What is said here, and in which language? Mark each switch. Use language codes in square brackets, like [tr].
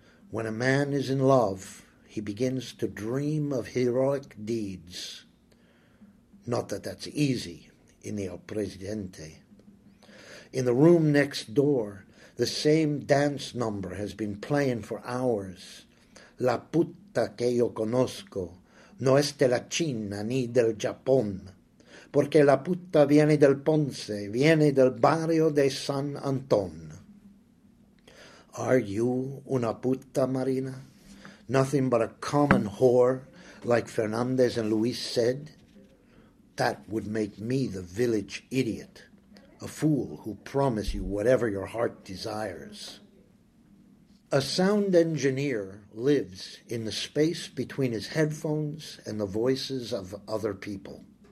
[en] When a man is in love, he begins to dream of heroic deeds. Not that that's easy in the El Presidente. In the room next door, the same dance number has been playing for hours. [es] La puta que yo conozco no es de la China ni del Japón, porque la puta viene del Ponce, viene del barrio de San Antón. [en] Are you [es] una puta, [en] Marina? Nothing but a common whore, like Fernandez and Luis said? That would make me the village idiot, a fool who promise you whatever your heart desires. A sound engineer lives in the space between his headphones and the voices of other people.